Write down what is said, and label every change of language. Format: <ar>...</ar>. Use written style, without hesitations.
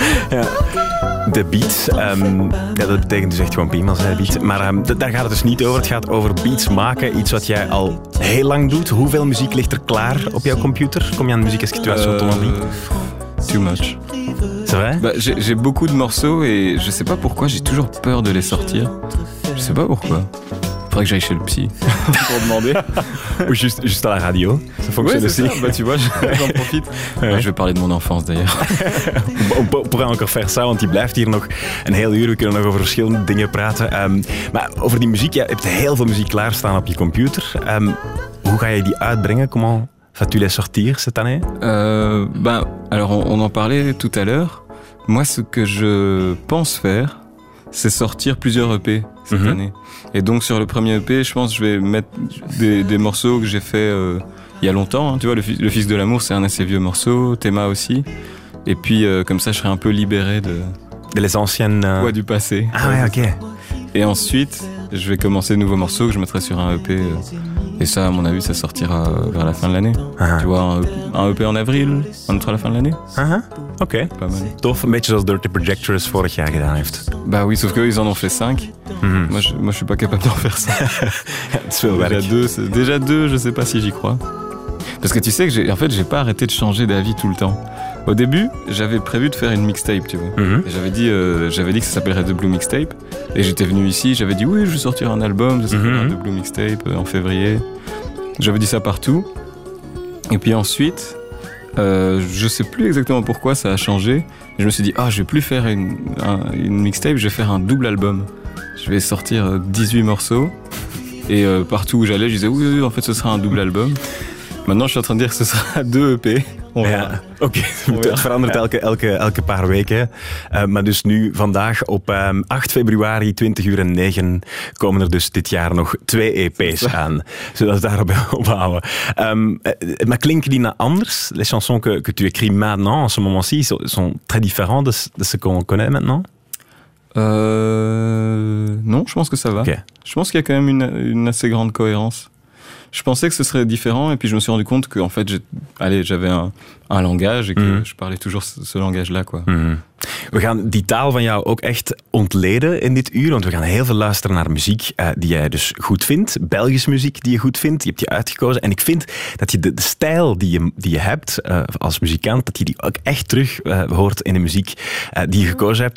<nl>Ja. De beats, dat betekent dus echt gewoon piemels, hè, beat. Maar daar gaat het dus niet over. Het gaat over beats maken, iets wat jij al heel lang doet. Hoeveel muziek ligt er klaar op jouw computer? Kom je aan de muziek als je het</nl> <en>Too much.</en> <fr>C'est vrai? Bah, j'ai beaucoup de morceaux et je sais pas pourquoi, j'ai toujours peur de les sortir. Je sais pas pourquoi. Il faudrait que j'aille chez le psy pour demander. Ou juste à la radio. Ça fonctionne aussi. Ouais, bah, tu vois, j'en profite. Ouais. Je vais parler de mon enfance d'ailleurs. On pourrait encore faire ça,</fr> <nl>want il blijft hier nog een heel uur. We kunnen nog over verschillende dingen praten. Maar over die muziek, je hebt heel veel muziek klaarstaan op je computer. Hoe ga je die uitbrengen?</nl> <fr>Comment vas-tu les sortir cette année? On en parlait tout à l'heure. Moi, ce que je pense faire, c'est sortir plusieurs EP cette mm-hmm. année. Et donc, sur le premier EP, je pense que je vais mettre des morceaux que j'ai fait il y a longtemps. Hein. Tu vois, le Fils de l'amour, c'est un assez vieux morceau. Théma aussi. Et puis, comme ça, je serai un peu libéré de les anciennes... du passé. Ah ouais, ok. Et ensuite, je vais commencer de nouveaux morceaux que je mettrai sur un EP. Et ça, à mon avis, ça sortira vers la fin de l'année. Uh-huh. Tu vois, un EP en avril, on entre à la fin de l'année. Uh-huh. Ok. Pas mal.</fr> <nl>Tof,</nl> <fr>un peu comme</fr> <nl>Dirty Projectors vorig jaar gedaan heeft.</nl> <fr>Bah oui, sauf qu'ils en ont fait 5. Mm-hmm. Moi, je suis pas capable d'en faire ça. C'est déjà 2, je sais pas si j'y crois. Parce que tu sais que j'ai, en fait, j'ai pas arrêté de changer d'avis tout le temps. Au début, j'avais prévu de faire une mixtape, tu vois. Mm-hmm. J'avais dit que ça s'appellerait The Blue Mixtape. Et j'étais venu ici, j'avais dit oui, je vais sortir un album, ça s'appellera The Blue Mixtape en février. J'avais dit ça partout. Et puis ensuite, je sais plus exactement pourquoi ça a changé. Je me suis dit, ah, je vais plus faire une mixtape, je vais faire un double album. Je vais sortir 18 morceaux. Et partout où j'allais, je disais, oui, en fait, ce sera un double album. Maintenant, je suis en train de dire que ce sera deux EP.</fr> <nl>Het verandert elke paar weken. Maar dus nu, vandaag op 8 februari, 20:09, komen er dus dit jaar nog twee EP's aan. Zodat we daarop ophouden. Maar klinken die nou anders?</nl> <fr>Les chansons que tu écris maintenant, en ce moment-ci, sont très différentes de ce qu'on connaît maintenant? Non, je pense que ça va. Okay. Je pense qu'il y a quand même une assez grande cohérence. Je pensais que ce serait différent et puis je me suis rendu compte que en fait j'avais un langage et que je parlais toujours ce langage-là quoi.</fr> <nl>We gaan die taal van jou ook echt ontleden in dit uur, want we gaan heel veel luisteren naar muziek die jij dus goed vindt, Belgisch muziek die je goed vindt, die heb je uitgekozen. En ik vind dat je de stijl die je hebt als muzikant, dat je die ook echt terug hoort in de muziek die je gekozen hebt.</nl>